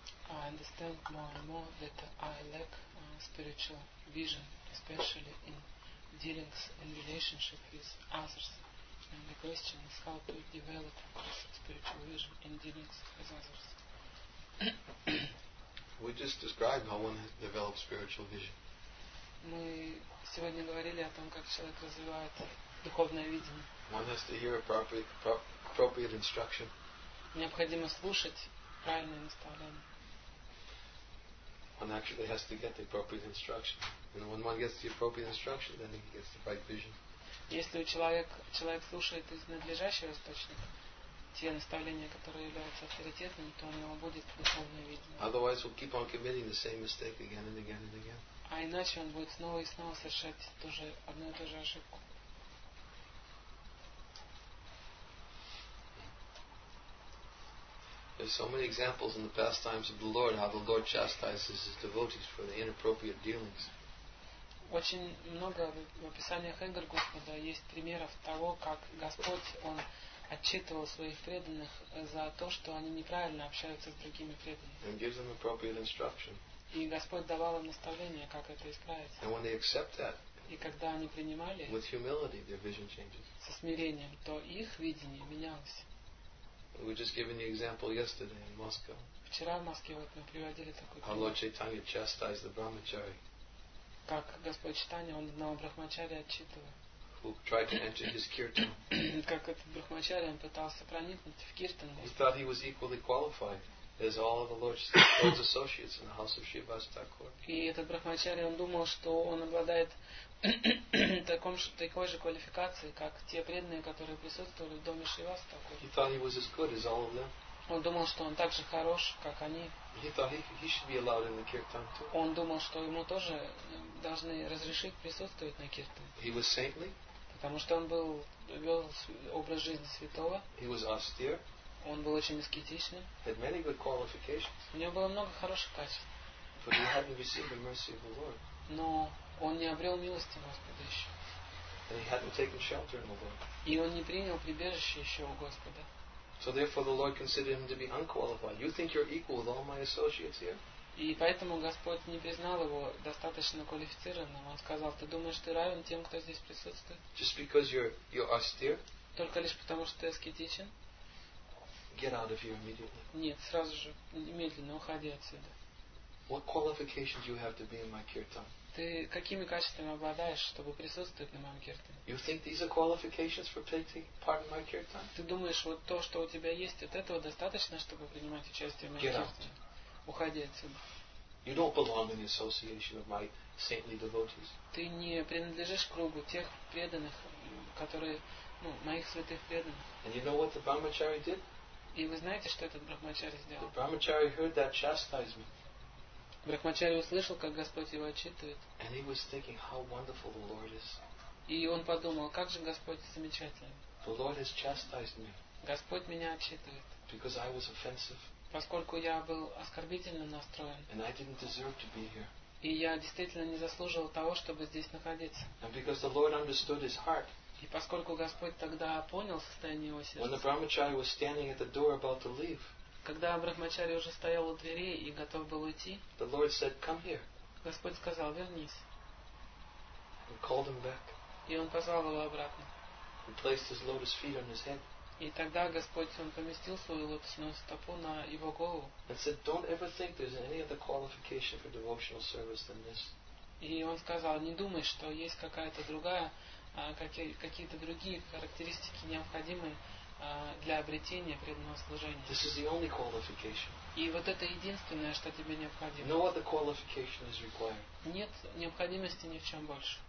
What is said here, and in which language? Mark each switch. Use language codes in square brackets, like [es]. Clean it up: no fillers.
[en] I understand more and more that I lack spiritual vision, especially in dealings and relationship with others. And the question is how to develop spiritual vision in dealings with others. We just described how one develops spiritual vision. [ru] Мы сегодня говорили о том, как человек развивает духовное видение. [en] One has to hear appropriate instruction. [ru] Необходимо слушать правильное наставление. [en] One actually has to get the appropriate instruction. And when one gets the appropriate instruction, then he gets the right vision. [ru] Если человек слушает из надлежащего источника те наставления, которые являются авторитетными, то у него будет духовное видение. [en] Otherwise, we'll keep on committing the same mistake again and again and again. [ru] А иначе он будет снова и снова совершать тоже одну и ту же ошибку. [en] There's so many examples in the pastimes of the Lord, how the Lord chastises his devotees for the inappropriate dealings. [ru] Очень много в описаниях игр Господа есть примеров того, как Господь он отчитывал своих преданных за то, что они неправильно общаются с другими преданными. [en] And gives them appropriate instruction. [ru] И Господь давал им наставление, как это исправить. [en] And when they accept that, [ru] и когда они принимали, [en] with humility, their vision changes. [ru] Со смирением, то их видение менялось. [en] We just given the example yesterday in Moscow. [ru] Вчера в Москве вот мы приводили такой пример. [en] How Lord Chaitanya chastised the brahmachari. [ru] Как Господь Читания, он одного брахмачари отчитывал. [en] Who tried to enter his kirtan. [ru] Как этот брахмачари, он пытался проникнуть в киртан. [en] He thought he was equally qualified as all of the Lord's associates in the house of Shivas Thakur. [ru] И этот брахмачари, он думал, что он обладает такой же квалификацией, как те преданные, которые присутствовали в доме Шивас Такур. [en] He thought he was as good as all of them. [ru] Он думал, что он так же хорош, как они. [en] He should be allowed in the kirtan too. [ru] Он думал, что ему тоже должны разрешить присутствовать на киртане. [en] He was saintly. [ru] Потому что он был вел образ жизни святого. [en] He was austere. [ru] Он был очень аскетичным. [en] Had many good qualifications. [ru] У него было много хороших качеств. [en] But he hadn't received the mercy of the Lord. [ru] Но он не обрел милости Господа еще. [en] And he hadn't taken shelter in the Lord. [ru] И он не принял прибежище еще у Господа. [en] So therefore the Lord considered him to be unqualified. You think you're equal with all my associates here? [ru] И поэтому Господь не признал его достаточно квалифицированным. Он сказал, ты думаешь, ты равен тем, кто здесь присутствует? [en] Just because you're austere? [ru] Только лишь потому, что ты аскетичен? [en] Get out of here immediately. [ru] Нет, сразу же, немедленно уходи отсюда. [en] What qualifications do you have to be in my kirtan? [ru] Ты какими качествами обладаешь, чтобы присутствовать на моем киртане? [en] You think these are qualifications for taking part in my kirtan? [ru] Ты думаешь, вот то, что у тебя есть, вот этого достаточно, чтобы принимать участие в моем киртане? Уходи отсюда. [en] You don't belong in the association of my saintly devotees. [ru] Ты не принадлежишь кругу тех преданных, которые, ну, моих святых преданных. [en] And you know what the brahmachari did? [ru] И вы знаете, что этот брахмачари сделал? [en] The brahmachari heard that chastisement. [ru] Брахмачари услышал, как Господь его отчитывает. [en] And he was thinking how wonderful the Lord is. [ru] И он подумал, как же Господь замечательный. [en] The Lord has chastised me. [ru] Господь меня отчитывает. [en] Because I was offensive. [ru] Поскольку я был оскорбительно настроен. [en] And I didn't deserve to be here. [ru] И я действительно не заслуживал того, чтобы здесь находиться. [en] And because the Lord understood his heart. [ru] И поскольку Господь тогда понял состояние его сердца. [en] When the brahmachari was standing at the door about to leave. [ru] Когда брахмачари уже стоял у двери и готов был уйти, [en] the Lord said, "Come here." [ru] Господь сказал, вернись. [en] He called him back. [ru] И он позвал его обратно. [en] He placed his lotus feet on his head. [ru] И тогда Господь, он поместил свою лотосную стопу на его голову. [en] And said, "Don't ever think there's any other qualification for devotional service than this." [ru] И он сказал, не думай, что есть какая-то другая, какие-то другие характеристики необходимые для обретения преданного служения. [en] This is the only qualification. [ru] И вот это единственное, что тебе необходимо. [en] No other qualification is required. [ru] Нет необходимости ни в чем больше.